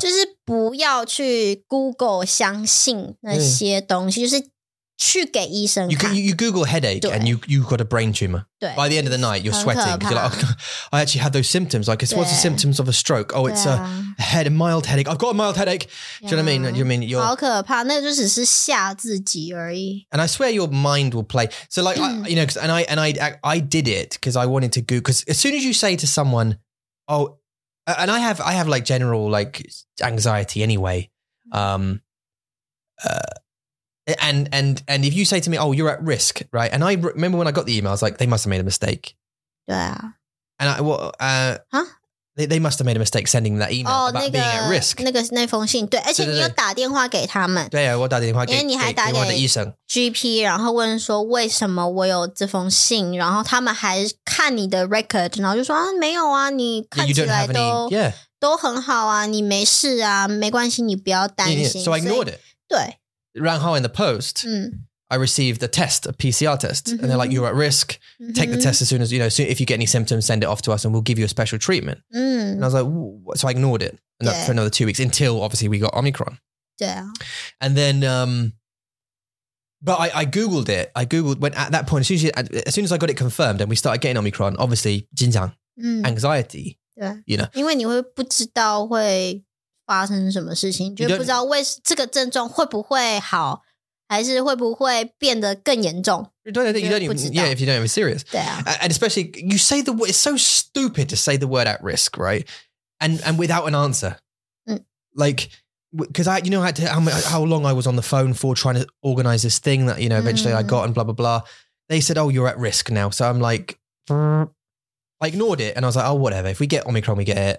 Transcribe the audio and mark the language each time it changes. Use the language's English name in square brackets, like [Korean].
[Chinese] 就是不要去 Google 相信那些东西，就是。去给医生看 [English] you Google headache and you've got a brain tumor. By the end of the night, you're sweating. You're like, oh, I actually have those symptoms. Like, what's the symptoms of a stroke? Oh, it's a mild headache. I've got a mild headache. Do you know what I mean? You mean you're... [Chinese] 好可怕，那就只是吓自己而已。 [English] And I swear your mind will play. So like, you know, cause, and I did it because I wanted to Google. Because as soon as you say to someone, oh, and I have like general like anxiety anyway. And if you say to me, oh, you're at risk, right? And I remember when I got the email, I was like, they must have made a mistake. Yeah. And I, well, huh? They must have made a mistake sending that email about being at risk. [Chinese] 那封信，对，而且你有打电话给他们。对啊，我打电话给，因为你还打给我的医生 GP， 然后问说为什么我有这封信，然后他们还看你的 record， 然后就说啊，没有啊，你看起来都 都很好啊，你没事啊，没关系，你不要担心。 [English] So I ignored it. [Chinese] 对。 [English] Ran how in the post, I received a test, a PCR test, and they're like, you're at risk. Mm-hmm. Take the test as soon as, you know, if you get any symptoms, send it off to us and we'll give you a special treatment. Mm. And I was like, so I ignored it for another 2 weeks until obviously we got Omicron. Yeah. And then, but I Googled it. I Googled when at that point, as soon as I got it confirmed and we started getting Omicron, obviously, 紧张, anxiety, you know. [Chinese] 因为你会不知道会发生什么事情，就不知道为这个症状会不会好，还是会不会变得更严重？ [English] 对对对，你不知道。 Yeah, if you don't even serious. [Chinese] 对啊。 [English] And especially, you say the word, it's so stupid to say the word at risk, right? And without an answer. 嗯。 Like, because I, you know, I had to, how long I was on the phone for trying to organize this thing that, you know, eventually I got and blah, blah, blah. They said, oh, you're at risk now. So I'm like, I ignored it. And I was like, oh, whatever. If we get Omicron, we get it.